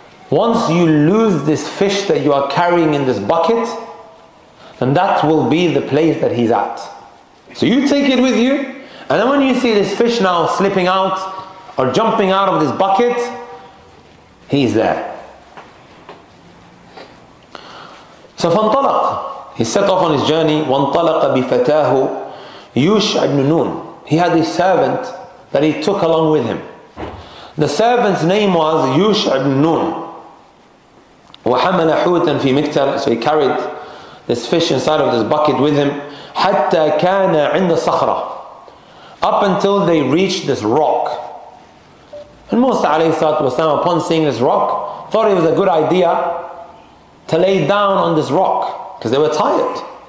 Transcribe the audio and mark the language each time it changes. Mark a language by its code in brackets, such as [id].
[en] Once you lose this fish that you are carrying in this bucket, then that will be the place that he's at. So you take it with you, and then when you see this fish now slipping out or jumping out of this bucket, he's there. So فانطلق, he set off on his journey. [ar] وانطلق بفتاه يوشع بن نون. [en] He had a servant that he took along with him. The servant's name was يوشع بن نون. [ar] وَحَمَلَ حُوتًا فِي مِكْتَرٍ. [en] So he carried this fish inside of this bucket with him. [ar] حَتَّى كَانَ عِنْدَ صَخْرَةٍ. [en] Up until they reached this rock. And Musa alayhi salatu wasalam, upon seeing this rock, thought it was a good idea to lay down on this rock, because they were tired.